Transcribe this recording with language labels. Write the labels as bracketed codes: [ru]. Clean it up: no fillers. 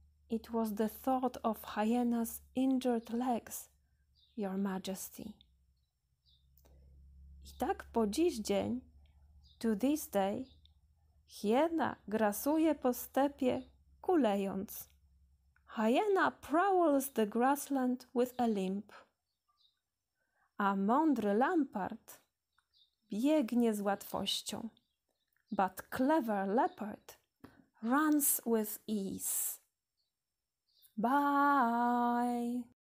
[en] It was the thought of hyena's injured legs, your majesty. [pl] I tak po dziś dzień, [en] to this day, [pl] hiena grasuje po stepie, kulejąc. [en] Hyena prowls the grassland with a limp. [pl] A mądry lampart biegnie z łatwością. [en] But clever leopard runs with ease. Bye!